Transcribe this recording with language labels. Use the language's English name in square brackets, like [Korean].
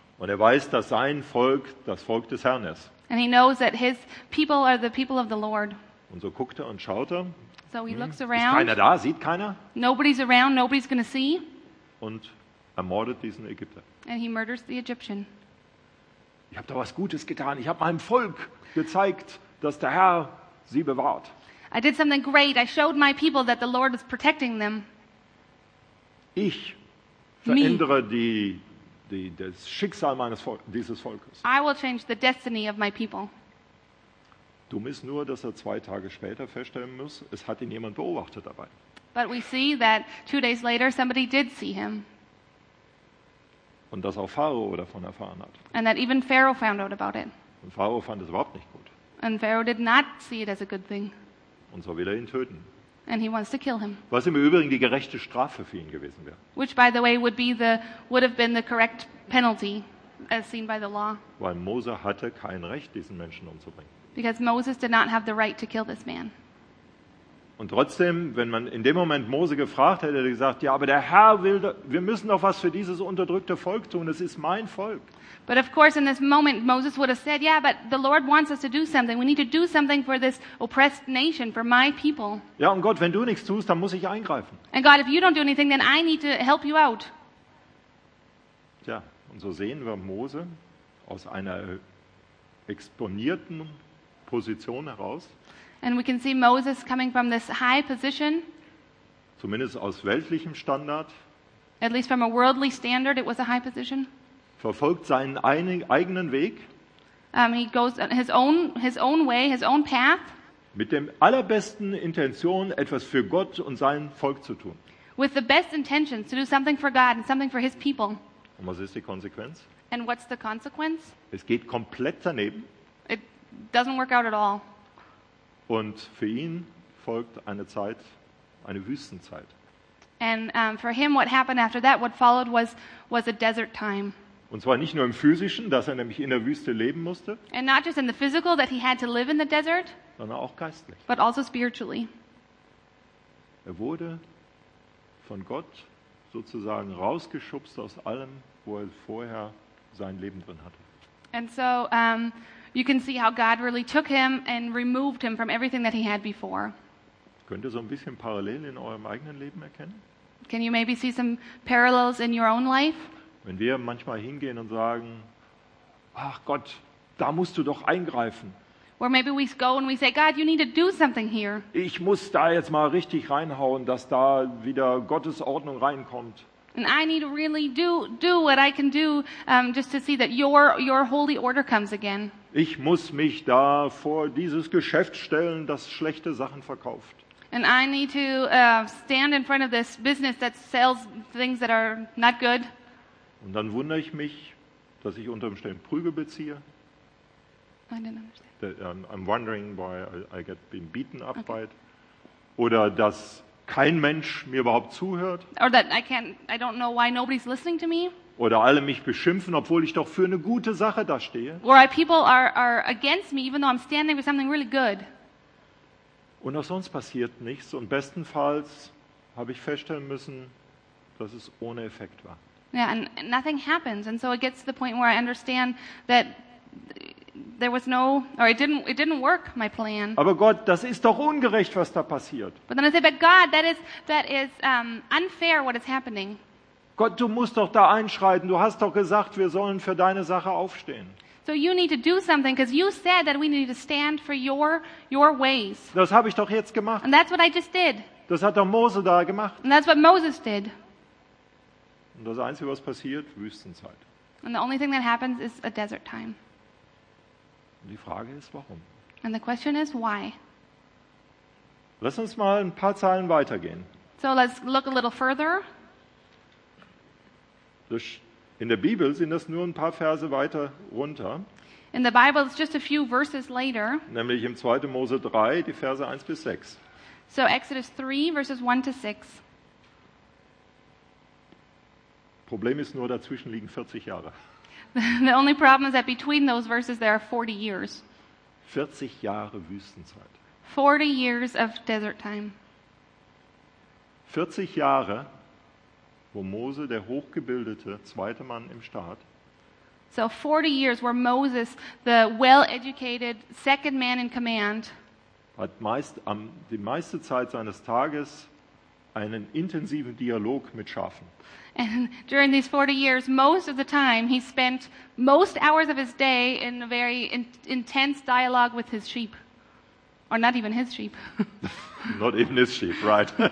[German] Und er weiß, dass sein Volk das Volk des Herrn ist. [English] And he knows that his people are the people of the Lord. [German] Und so guckt er und schaut er. [English] So he looks around. [German] Ist keiner da? Sieht keiner? [English] Nobody's around. Nobody's gonna see. [German] Und ermordet diesen Ägypter. [English] And he murders the Egyptian. [German] Ich habe da was Gutes getan. Ich habe meinem Volk gezeigt, dass der Herr sie bewahrt. [English] I did something great. I showed my people that the Lord is protecting them. [German] Ich verändere das Schicksal meines dieses Volkes. [English] I will change the destiny of my people. [German] Dumm ist nur, dass er zwei Tage später feststellen muss, es hat ihn jemand beobachtet dabei. [English] But we see that 2 days later somebody did see him. [German] Und dass auch Pharao davon erfahren hat. [English] And that even Pharaoh found out about it. [German] Und Pharao fand es überhaupt nicht gut. [English] And Pharaoh did not see it as a good thing. [German] Und so will er ihn töten. [English] And he wants to kill him. [German] Was im Übrigen die gerechte Strafe für ihn gewesen wäre. [English] Which by the way would have been the correct penalty as seen by the law. [German] Weil Mose hatte kein Recht, diesen Menschen umzubringen. [English] Because Moses did not have the right to kill this man. [German] Und trotzdem, wenn man in dem Moment Mose gefragt hätte, hätte er gesagt, ja, aber der Herr will, wir müssen doch was für dieses unterdrückte Volk tun, es ist mein Volk. [English] But of course in this moment Moses would have said, yeah, but the Lord wants us to do something. We need to do something for this oppressed nation, for my people. [German] Ja, und Gott, wenn du nichts tust, dann muss ich eingreifen. [English] And God, if you don't do anything, then I need to help you out. [German] Tja, und so sehen wir Mose aus einer exponierten Position heraus. [English] And we can see Moses coming from this high position. [German] Zumindest aus weltlichem Standard. [English] At least from a worldly standard, it was a high position. [German] Verfolgt seinen eigenen Weg. [English] He goes his own way, his own path. [German] Mit dem allerbesten Intention, etwas für Gott und sein Volk zu tun. [English] With the best intentions to do something for God and something for His people. [German] Und was ist die Konsequenz? [English] And what's the consequence? [German] Es geht komplett daneben. [English] It doesn't work out at all. [German] Und für ihn folgt eine Zeit, eine Wüstenzeit. [English] And for him, what happened after that, what followed was a desert time. [German] Und zwar nicht nur im physischen, dass er nämlich in der Wüste leben musste. [English] And not just in the physical, that he had to live in the desert. [German] Sondern auch geistlich. [English] But also spiritually. [German] Er wurde von Gott sozusagen rausgeschubst aus allem, wo er vorher sein Leben drin hatte. [English] And so you can see how God really took him and removed him from everything that he had before. [German] Könnt ihr so ein bisschen Parallelen in eurem eigenen Leben erkennen? [English] Can you maybe see some parallels in your own life? [German] Wenn wir manchmal hingehen und sagen, ach Gott, da musst du doch eingreifen. [English] Or maybe we go and we say, God, you need to do something here. [German] Ich muss da jetzt mal richtig reinhauen, dass da wieder Gottes Ordnung reinkommt. [English] And I need to really do what I can do just to see that your holy order comes again. [German] Ich muss mich da vor dieses Geschäft stellen, das schlechte Sachen verkauft. [English] And I need to stand in front of this business that sells things that are not good. [German] Und dann wundere ich mich, dass ich unter Umständen Prügel beziehe. [English] I didn't understand. I'm wondering why I get been beaten up okay. by it. [German] Oder dass kein Mensch mir überhaupt zuhört. [English] Or that I don't know why nobody's listening to me. [German] Oder alle mich beschimpfen, obwohl ich doch für eine gute Sache da stehe. [English] Or people are against me, even though I'm standing for something really good. [German] Und auch sonst passiert nichts. Und bestenfalls habe ich feststellen müssen, dass es ohne Effekt war. [English] Yeah, and nothing happens. And so it gets to the point where I understand that there was no, or it didn't work, my plan. [German] Aber Gott, das ist doch ungerecht, was da passiert. [English] But then I say, but God, that is unfair what is happening. [German] Gott, du musst doch da einschreiten. Du hast doch gesagt, wir sollen für deine Sache aufstehen. [English] So you need to do something, because you said that we need to stand for your ways. [German] Das habe ich doch jetzt gemacht. [English] And that's what I just did. [German] Das hat doch Mose da gemacht. [English] And that's what Moses did. [German] Und das Einzige, was passiert, Wüstenzeit. [English] And the only thing that happens is a desert time. [German] Und die Frage ist, warum? [English] And the question is, why? [German] Lass uns mal ein paar Zeilen weitergehen. [English] So let's look a little further. [German] In der Bibel sind das nur ein paar Verse weiter runter. [English] In the Bible, it's just a few verses later. [German] Nämlich im 2. Mose 3, die Verse 1 bis 6. [English] So Exodus 3, verses 1 to 6. [German] Problem ist nur, dazwischen liegen 40 Jahre. [English] The only problem is that between those verses there are 40 years. [German] 40 Jahre Wüstenzeit. [English] 40 years of desert time. [German] 40 Jahre, wo Mose, der hochgebildete zweite Mann im Staat. [English] So 40 years where Moses, the well-educated second man in command, [German] hat die meiste Zeit seines Tages einen intensiven Dialog mit Schafen. [English] And during these 40 years, most of the time, he spent most hours of his day in a very intense dialogue with his sheep. Or not even his sheep. Not even his sheep, right.